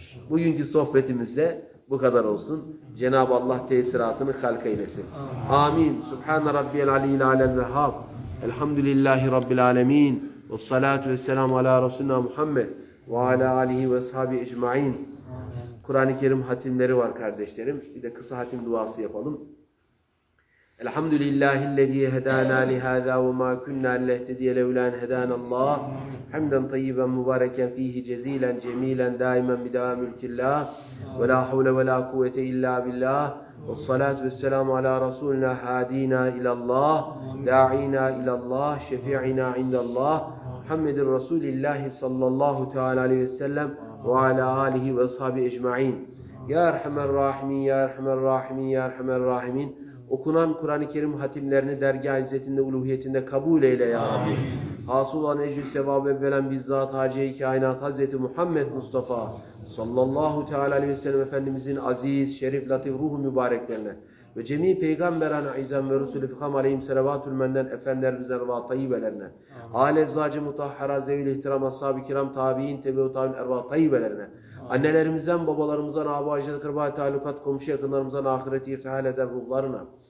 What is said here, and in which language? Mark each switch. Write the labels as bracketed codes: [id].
[tr] Bugünkü sohbetimiz de bu kadar olsun. Cenab-ı Allah tesiratını halk eylesin. Amin. Subhane Rabbiyel Aliyyil Alem Vehhab. Elhamdülillahi Rabbil Alemin. Ve salatu ve selamu ala Resulina Muhammed. Ve ala alihi ve sahbihi ecma'in. Kur'an-ı Kerim hatimleri var kardeşlerim. Bir de kısa hatim duası yapalım. [ar] الحمد لله الذي هدانا لهذا وما كنا لنهتدي لولا أن هدانا الله حمدا طيبا مباركا فيه جزيلا جميلا دائما بدوام ملك الله ولا حول ولا قوة إلا بالله والصلاة والسلام على رسولنا هادينا إلى الله داعينا إلى الله شفيعنا عند الله محمد رسول الله صلى الله تعالى عليه وسلم وعلى آله وصحبه أجمعين يا أرحم الراحمين يا أرحم الراحمين يا أرحم الراحمين [tr] Okunan Kur'an-ı Kerim hatimlerini dergâh-ı izzetinde, uluhiyetinde kabul eyle ya Rabbi. Amin. Hasıl olan ecr-i sevabı evvelen bizzat Hace-i Kainat Hazreti Muhammed Mustafa sallallahu teâlâ aleyhi ve sellem Efendimizin aziz, şerif, latif, ruhu mübareklerine ve cemî peygamberâne izzem ve rüsûl-i fikam aleyhim selavatül menden efendilerimizden ve tayyibelerine, âle eczacı mutahhara zevil-i ihtiram, ashab-ı kiram, tabi'in, tebe-i tabi'in, erva tayyibelerine, annelerimizden, babalarımızdan, ağabey, acil, kırbay, talukat, komşu yakınlarımızdan ahireti irtihal eden ruhlarına,